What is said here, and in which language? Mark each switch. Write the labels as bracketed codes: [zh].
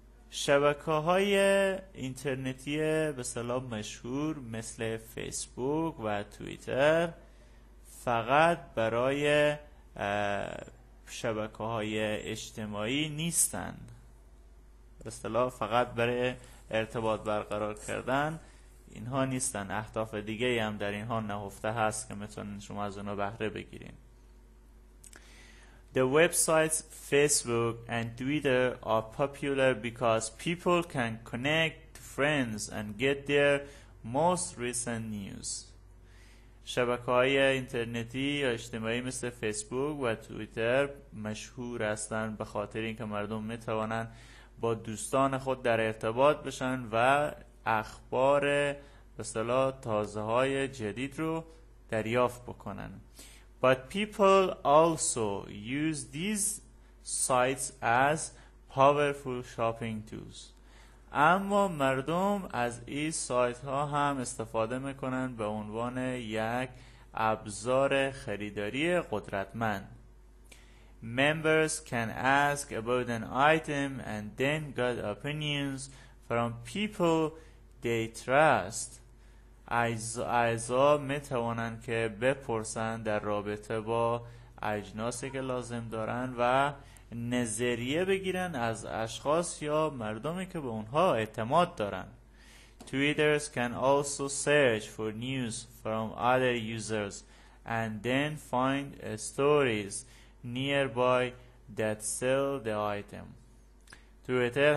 [fa] شبکه‌های اینترنتی به اصطلاح مشهور مثل فیسبوک و توییتر فقط برای شبکه‌های اجتماعی نیستن. به اصطلاح فقط برای ارتباط برقرار کردن اینها نیستن، اهداف دیگه هم در اینها نهفته هست که میتونین شما از اونها بهره بگیرین. [en] The websites Facebook and Twitter are popular because people can connect to friends and get their most recent news. [fa] شبکه‌های اینترنتی یا اجتماعی مثل فیسبوک و توییتر مشهور هستند به خاطر اینکه مردم میتونن با دوستان خود در ارتباط بشن و اخبار به اصطلاح تازه های جدید رو دریافت بکنن. [en] But people also use these sites as powerful shopping tools. [fa] اما مردم از این سایت ها هم استفاده میکنن به عنوان یک ابزار خریداری قدرتمند. [en] Members can ask about an item and then get opinions from people they trust. [fa] اعضا میتوانن که بپرسن در رابطه با اجناسی که لازم دارن و نظریه بگیرن از اشخاص یا مردمی که به اونها اعتماد دارن. [en] Tweeters can also search for news from other users and then find stories nearby that sell the item. Tweeter